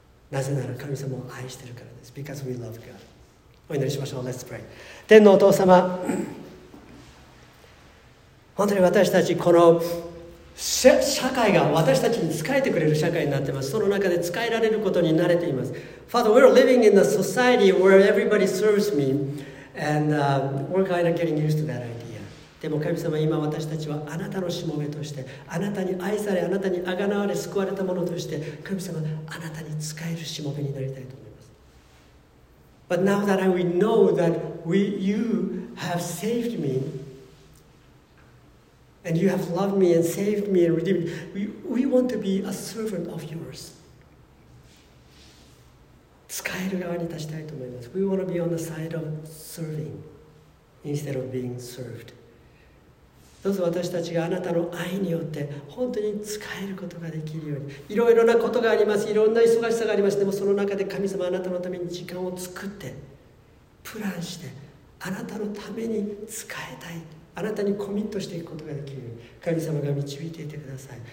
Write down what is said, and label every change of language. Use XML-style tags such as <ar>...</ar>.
<ja>なぜなら神様を愛してるからです。</ja> <en>Because we love God.</en> <ja>お祈りしましょう。</ja> <en>Let's pray.</en> <ja>天のお父様、本当に私たちこの社会が私たちに仕えてくれる社会になっています。その中で仕えられることに慣れています。</ja> <en>Father, we're living in a society where everybody serves me and we're kind of getting used to that idea.</en> <ja>でも神様、今私たちはあなたのしもべとして、あなたに愛され、あなたにあがなわれ、救われたものとして、神様、あなたに仕えるしもべになりたいと。</ja> <en>But now that we know that you have saved me and you have loved me and saved me and redeemed me, we want to be a servant of yours.</en> <ja>使える側に立ちたいと思います。</ja> <en>We want to be on the side of serving instead of being served.</en> <ja>どうぞ私たちがあなたの愛によって本当に使えることができるように。いろいろなことがあります。いろんな忙しさがあります。でもその中で神様、あなたのために時間を作ってプランして、あなたのために使いたい、あなたにコミットしていくことができるように神様が導いていてください。</ja>